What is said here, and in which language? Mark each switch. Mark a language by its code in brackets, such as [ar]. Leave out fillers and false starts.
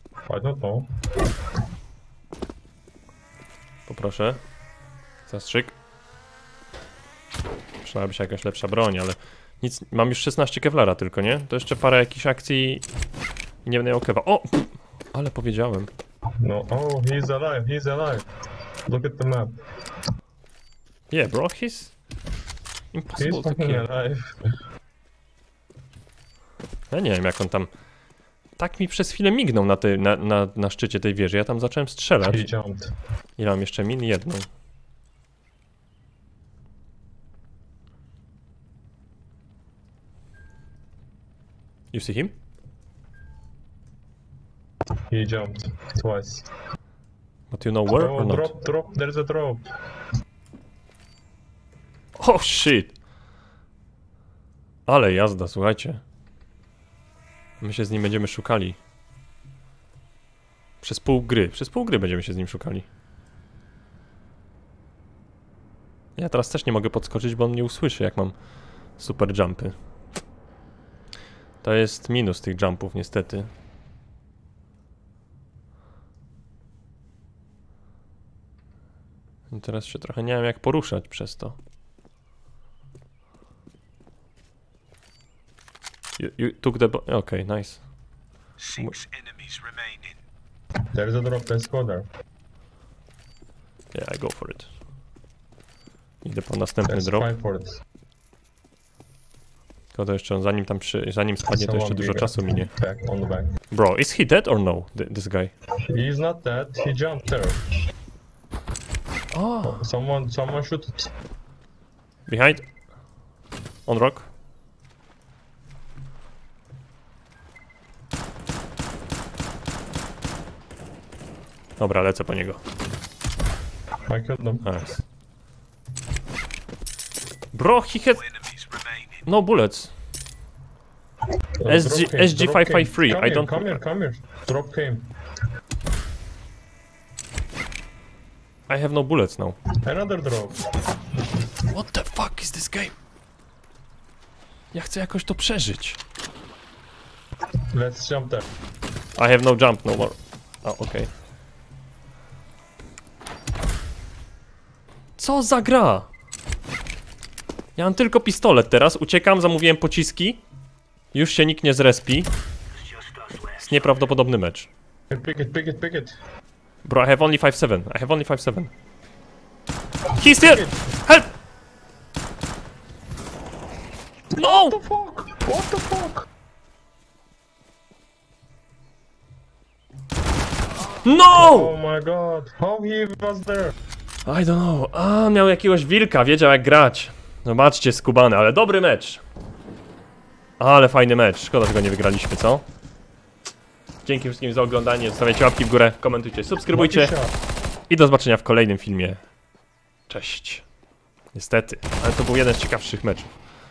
[en] I don't know. [pl] Poproszę. Zastrzyk. Trzeba by się jakaś lepsza broń, ale nic. Mam już 16 kevlara tylko, nie? To jeszcze parę jakichś akcji i nie będę miał kewa. O! Ale powiedziałem. [en] No, oh, he's alive, he's alive. Look at the map. Yeah, bro, he's impossible he's to kill. Alive. [pl] Ja nie wiem, jak on tam. Tak mi przez chwilę mignął na, na szczycie tej wieży. Ja tam zacząłem strzelać. Ile mam jeszcze min? Jedną. [en] You see him? He jumped twice. But you know where drop, or not? Drop, drop, there's a drop. Oh shit! [pl] Ale jazda, słuchajcie. My się z nim będziemy szukali. Przez pół gry będziemy się z nim szukali. Ja teraz też nie mogę podskoczyć, bo on mnie usłyszy, jak mam super jumpy. To jest minus tych jumpów, niestety. I teraz się trochę nie wiem jak poruszać przez to. [en] You took the bo- okay, nice. Six enemies remaining. There's a drop, there's water. Yeah, I go for it. [pl] Idę po następny drop. Tylko to jeszcze on, zanim tam przy, zanim spadnie, to jeszcze dużo czasu minie. [en] Bro, is he dead or no, this guy? He is not dead, he jumped there. Oh. Someone shoot. Behind. On rock. [pl] Dobra, lecę po niego. [en] I killed him. Nice. Bro, he had... No bullets. SG553, I don't... Come here, come here. Drop came. I have no bullets now. Another drop. What the fuck is this game? [pl] Ja chcę jakoś to przeżyć. [en] Let's jump there. I have no jump, no more. Oh, okay. [pl] Co za gra? Ja mam tylko pistolet teraz, uciekam, zamówiłem pociski. Już się nikt nie zrespi. Jest nieprawdopodobny mecz. [en] Pick it, pick it, pick it. Bro, I have only 5-7. I have only 5-7. He's here! Help! No! What the fuck? What the fuck? No! Oh my god, how he was there? I don't know. [pl] A, miał jakiegoś wilka, wiedział jak grać. Zobaczcie, skubany, ale dobry mecz! Ale fajny mecz, szkoda, że go nie wygraliśmy, co? Dzięki wszystkim za oglądanie, zostawiajcie łapki w górę, komentujcie, subskrybujcie i do zobaczenia w kolejnym filmie. Cześć. Niestety, ale to był jeden z ciekawszych meczów.